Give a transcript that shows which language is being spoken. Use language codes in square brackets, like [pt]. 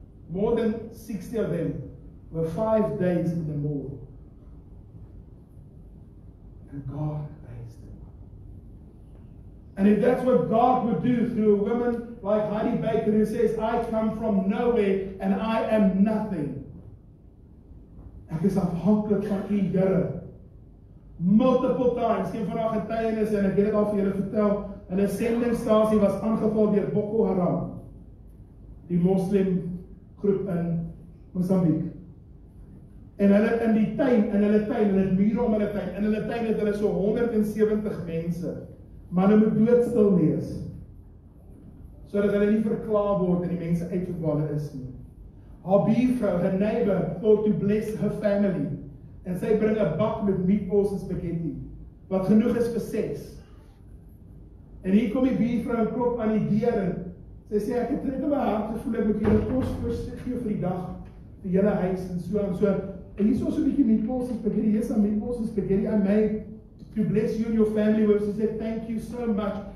[en] More than 60 of them were 5 days in the morgue. And God. And if that's what God would do through a woman like Heidi Baker who says, I come from nowhere and I am nothing. [af] Ek is afhanklik van U, Here. [en] Multiple times, [af] geen van haar getuienis, en ek het dit al vir julle vertel, en 'n sendingstasie was aangeval deur Boko Haram, die moslim groep in Mosambiek. En hulle in die tuin, hulle mure om hulle tuin, in hulle tuin het hulle so 170 mense. Maar hulle moet doodstil wees. So dat hulle nie verklaar word en die mense uitgevaal is nie. Haar buurvrou, [en] her neighbor, thought to bless her family. [af] En sy bring 'n bak met meatballs en spaghetti. Wat genoeg is vir 6. En hier kom die buurvrou en klop aan die deur. Sy sê, ek het trek in my hart gevoel, ek moet julle kos gee vir die dag. Die hele huis en so en so. En hier is ons 'n bietjie meatballs en spaghetti. Hier is aan meatballs en spaghetti aan my. [en] To bless you and your family, where she said, thank you so much.